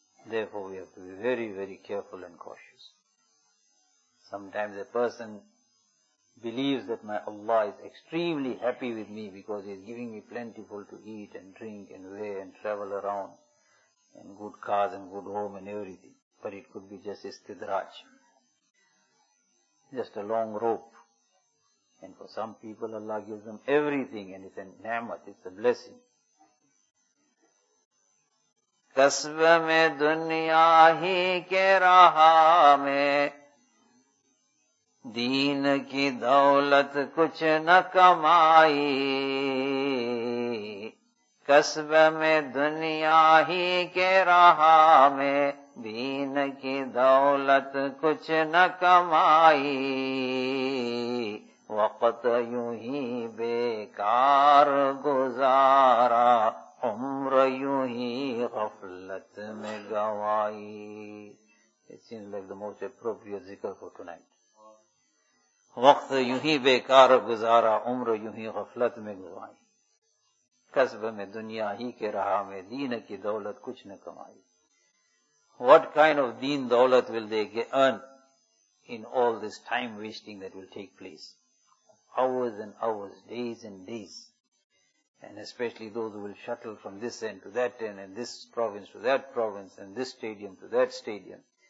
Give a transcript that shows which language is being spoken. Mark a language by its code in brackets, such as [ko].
[en] Therefore we have to be very, very careful and cautious. Sometimes a person believes that my Allah is extremely happy with me because He is giving me plentiful to eat and drink and wear and travel around. And good cars and good home and everything. But it could be just istidraj. Just a long rope. And for some people Allah gives them everything and it's a ni'mat, it's a blessing. [ur] کسب میں دنیا ہی کے راہ میں دین کی دولت کچھ نہ کمائی، کسب میں دنیا ہی کے راہ میں دین کی دولت کچھ نہ کمائی، وقت یوں ہی بیکار گزارا، عمر یوں ہی غفلت میں گوائی. [en] It seems like the most appropriate zikr for tonight. [ur] وقت یوں ہی بیکار گزارا، عمر یوں ہی غفلت میں گوائی، کسب میں دنیا ہی کے راہ میں دین کی دولت کچھ نہ کمائی. [en] What kind of deen دولت will they earn in all this time wasting that will take place? Hours and hours, days and days. And especially those who will shuttle from this end to that end, and this province to that province, and this stadium to that stadium.